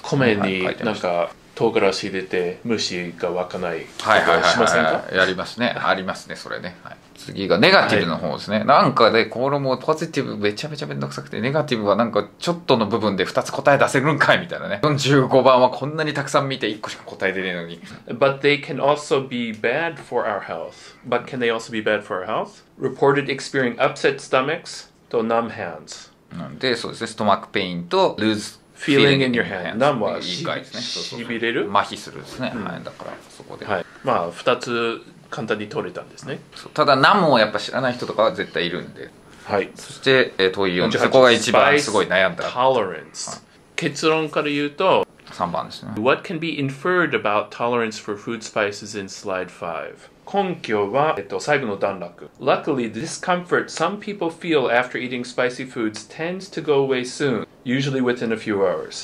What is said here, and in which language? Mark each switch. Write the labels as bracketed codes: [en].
[ja] ね、米になんか唐辛子入れて虫が湧かないとかしませんか。やりますねありますねそれね、はい、次がネガティブの方ですね、はい、なんかで、ね、これもポジティブめちゃめちゃめんどくさくてネガティブはなんかちょっとの部分で2つ答え出せるんかいみたいなね。 45番はこんなにたくさん見て1個しか答え出ないのに。 [en] But they can also be bad for our health. But can they also be bad for our health? Reported experiencing upset stomachs [ja] と [en] numb hands [ja] なんで、そうですね、ストマックペインと lose [en] Feeling in your hand. [ja] 何はしびれる麻痺するですね、うん、はい、だからそこで、はい、まあ2つ簡単に取れたんですね、うん、ただ何もやっぱ知らない人とかは絶対いるんで、はい、そして問い4、そこが一番すごい悩んだ tolerance、はい、結論から言うと 3番ですね。 [en] What can be inferred about tolerance for food spices in slide 5? [ja] 根拠は最後の段落。 [en] Luckily, the discomfort some people feel after eating spicy foods tends to go away soon, usually within a few hours.